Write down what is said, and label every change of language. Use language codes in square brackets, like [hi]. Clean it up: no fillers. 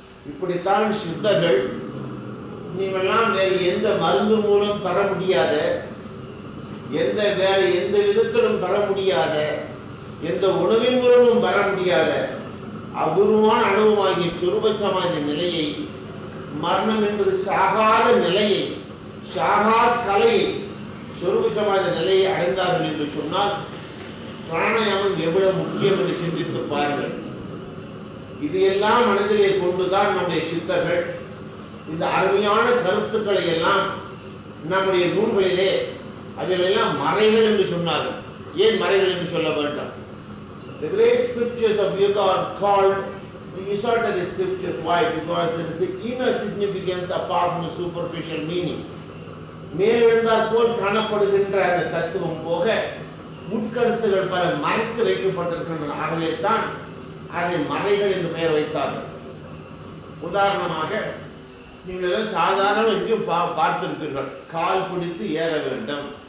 [ta] இப்படித்தான் சித்தர்கள் நீங்கள்லாம் வேறு எந்த மருந்து மூலம் பெற முடியாத, எந்த வேறு எந்த விதத்திலும் பெற முடியாத, எந்த உணவின் மூலமும் பெற முடியாத அபூர்வமான அனுபவமாகிய சுரூப சமாதி நிலையை, மரணம் என்பது சாகாத நிலையை, சாகா கலையை, சுரூப சமாதி நிலையை அடைந்தார்கள் என்று சொன்னால் பிராணாயாமம் எவ்வளவு முக்கியம் என்று சிந்தித்து பாருங்கள். இதையெல்லாம் மனதிலே கொண்டுதான் நம்முடைய சித்தர்கள் இந்த அருமையான கருத்துக்களை எல்லாம் நம்முடைய நூல்களிலே, அதில் எல்லாம் மறைகள் என்று சொன்னார்கள். ஏன் மறைகள் என்று சொல்ல வேண்டும்? [en] The great scriptures of yoga are called the esoteric scriptures. Why? Because there is the inner significance apart from the superficial meaning. [ta] மேலிருந்தால் போல் காணப்படுகின்ற அந்த தத்துவம் போக உட்கருத்துகள் பல மறைத்து வைக்கப்பட்டிருக்கின்றன. ஆகவே தான் அதை மறைகள் என்று பெயர் வைத்தார்கள். உதாரணமாக நீங்கள் எல்லாம் சாதாரண எங்கேயும் பார்த்திருக்கிறீர்கள், கால் பிடித்து ஏற வேண்டும்.